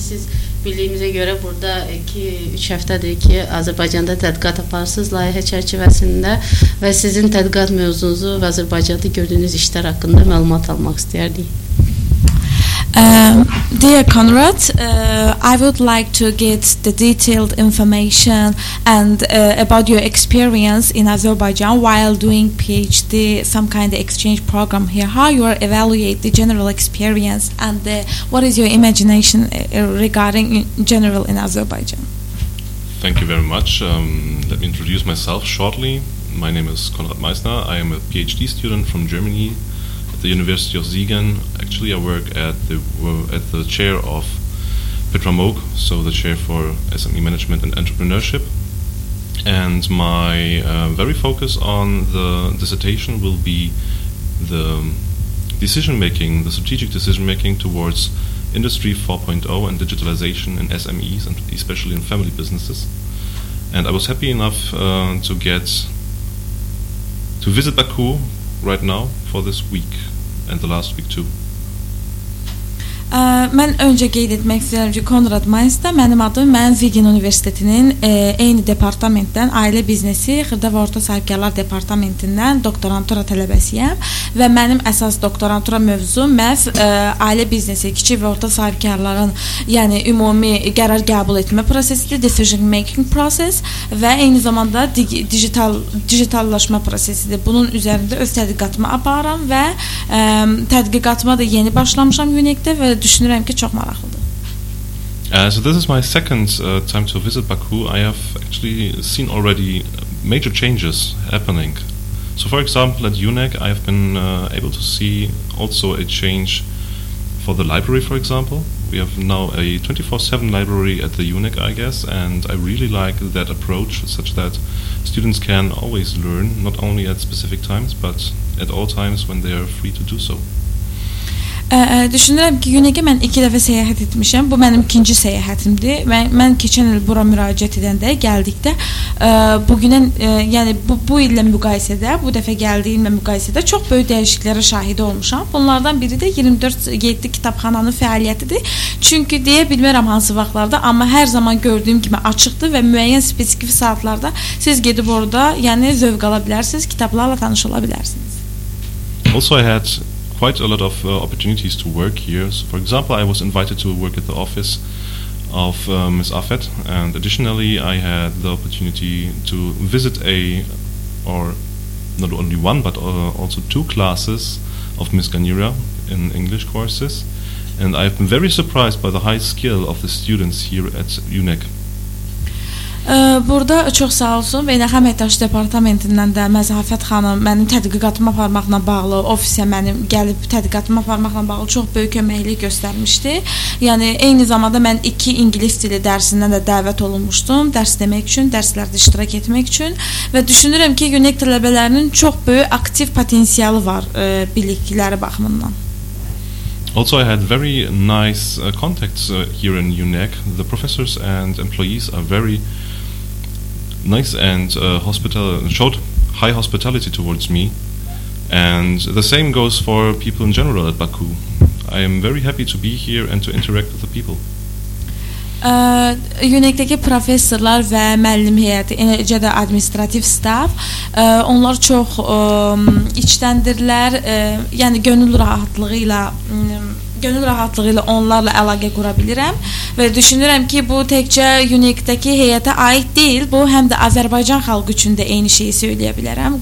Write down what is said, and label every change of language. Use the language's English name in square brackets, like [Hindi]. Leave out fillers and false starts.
[Azerbaijani] Siz bildiyimizə görə burada 2-3 həftədir ki, Azərbaycanda tədqiqat aparsınız layihə çərçivəsində və sizin tədqiqat mövzunuzu və Azərbaycanda gördüyünüz işlər haqqında məlumat almaq istərdik. [English] Dear Konrad, I would like to get the detailed information and about your experience in Azerbaijan while doing PhD, some kind of exchange program here. How you evaluate the general experience and what is your imagination regarding general in Azerbaijan? Thank you very much. Let me introduce myself shortly. My name is Konrad Meissner. I am a PhD student from Germany. The University of Siegen. Actually, I work at the chair of Petra Moog, so the chair for SME management and entrepreneurship. And my very focus on the dissertation will be the decision making, the strategic decision making towards Industry 4.0 and digitalization in SMEs and especially in family businesses. And I was happy enough to visit Baku right now for this week. And the last week too. [Azerbaijani] Mən öncə qeyd etmək istəyirəm ki, Konrad Mainz-da mənim adım, mən Siegen Universitetinin eyni departamentdən, ailə biznesi, xırda və orta sahibkarlar departamentindən doktorantura tələbəsiyəm və mənim əsas doktorantura mövzum məhz ailə biznesi, kiçik və orta sahibkarların yəni ümumi qərar qəbul etmə prosesidir, [English] decision making process [Azerbaijani] və eyni zamanda dijitallaşma prosesidir. Bunun üzərində öz tədqiqatımı aparam və tədqiqatıma da yeni başlamışam Unique-də və düşünürəm ki, çox maraqlıdır. [English] So this is my second time to visit Baku. I have actually seen already major changes happening. So for example, at UNEC, I have been able to see also a change for the library, for example. We have now a 24/7 library at the UNEC, I guess, and I really like that approach such that students can always learn, not only at specific times, but at all times when they are free to do so. [Azerbaijani] Düşünürəm ki, Yunanistana mən 2 dəfə səyahət etmişəm. Bu mənim 2-ci səyahətimdir. Mən keçən il bura müraciət edəndə, gəldikdə bu illə müqayisədə, bu dəfə gəldiyimlə müqayisədə çox böyük dəyişikliklərə şahid olmuşam. Bunlardan biri də 24/7 kitabxananın fəaliyyətidir. Çünki deyə bilmərəm hansı vaxtlarda, amma hər zaman gördüyüm kimi açıqdır və müəyyən spesifik saatlarda siz gedib orada, yəni zövq ala bilərsiniz, kitablarla tanış ola bilərsiniz. [English] Also I had quite a lot of opportunities to work here. So for example, I was invited to work at the office of Ms. Afet, and additionally I had the opportunity to visit also two classes of Ms. Ganira in English courses, and I've been very surprised by the high skill of the students here at UNEC. [Azerbaijani] Burada çox sağ olsun Beynəlxalq Əməkdaşlıq Departamentindən də Məzafət xanım mənim tədqiqatımı aparmaqla bağlı, ofisə mənim gəlib tədqiqatımı aparmaqla bağlı çox böyük köməklik göstərmişdi. Yəni eyni zamanda mən 2 ingilis dili dərsindən də dəvət olunmuşdum, dərs demək üçün, dərslərdə iştirak etmək üçün və düşünürəm ki, UNEC tələbələrinin çox böyük aktiv potensialı var bilikləri baxımından. [English] Also, I had very nice contacts here in UNEC. The professors and employees are very nice and showed high hospitality towards me. And the same goes for people in general at Baku. I am very happy to be here and to interact with the people. [Azerbaijani] UNEC-dəki professorlar və müəllim heyəti, eləcə də administrativ staff, onlar çox içtəndirlər, yəni gönül rahatlığı ilə gönül rahatlığıyla onlarla əlaqə qura bilirəm və düşünürəm ki, bu təkcə UNIQ-dəki heyətə aid deyil, bu həm də Azərbaycan xalqı üçün də eyni şeyi söyləyə bilərəm.